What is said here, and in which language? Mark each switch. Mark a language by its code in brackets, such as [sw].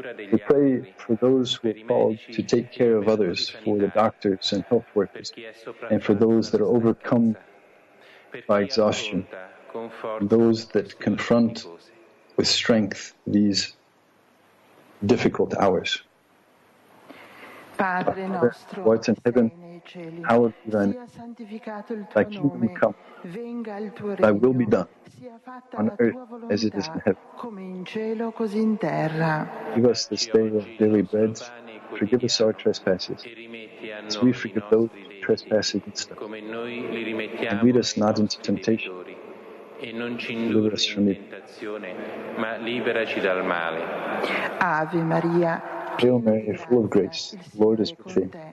[en] We pray for those who are called to take care of others, for the doctors and health workers, and for those that are overcome by exhaustion, and those that confront with strength these difficult hours. [it] Padre nostro, che sei nei cieli, sia santificato il tuo nome, come, venga il tuo regno, sia fatta la tua volontà, come in cielo, così in terra. [en] Give us this day our daily bread, forgive us our trespasses, as we forgive those who trespass against us. And lead us not into temptation, [it] e non ci indurre in tentazione, ma liberaci dal male. Ave Maria. [en] Hail Mary, full of grace, the Lord is with thee.